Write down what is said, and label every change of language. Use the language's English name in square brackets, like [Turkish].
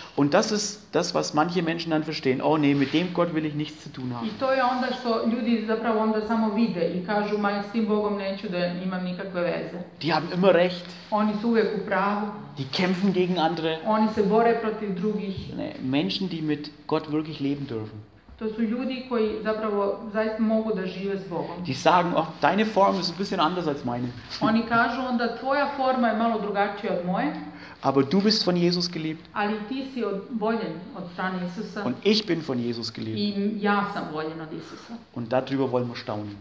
[German] Und das ist das, was manche Menschen dann verstehen. Oh nee, mit dem Gott will ich nichts zu tun haben. [Serbian] I to je onda što ljudi zapravo onda samo vide i kažu, ma s tim Bogom neću da imam nikakve veze. [German] Die haben immer recht. [Serbian] Oni su uvijek u pravu. [German] Die kämpfen gegen andere. [Serbian] Oni se bore protiv drugih. [German] Nee, Menschen, die mit Gott wirklich leben dürfen. [Serbian] To su ljudi koji zapravo zaista mogu da žive s Bogom. [German] Die sagen, oh, deine Form ist ein bisschen anders als meine. [Serbian] Oni kažu onda, tvoja forma je malo drugačija od moje. [German] Aber du bist von Jesus geliebt. [Serbian] Ali ti si voljen od strane Isusa. [German] Und ich bin von Jesus geliebt. [Serbian] I ja sam voljen od Isusa. [German] Und darüber wollen wir staunen.